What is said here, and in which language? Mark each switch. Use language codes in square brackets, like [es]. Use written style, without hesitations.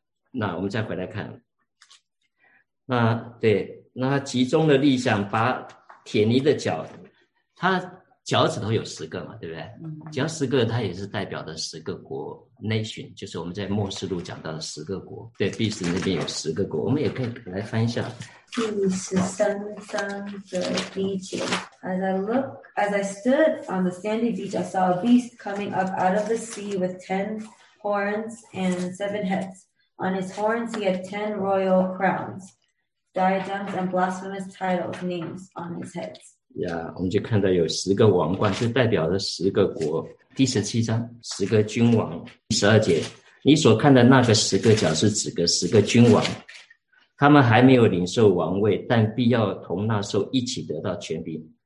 [zh] 那我们再回来看，那对，那他集中的力量把铁泥的脚，他脚趾头有十个嘛，对不对？脚十个他也是代表的十个国 nation， 就是我们在末世录讲到的十个国，对，必死那边有十个国，我们也可以来翻一下 [en] As I stood on the sandy beach, I saw a beast coming up out of the sea with 10 horns and 7 heads. On his horns, he had 10 royal crowns, diadems and blasphemous titles, names on his heads. [zh] Yeah, 我们就看到有十个王冠，就代表了十个国。第十七章，十个君王。第十二节，你所看的那个十个角是指个十个君王。他们还没有领受王位，但必要同那时候一起得到权柄。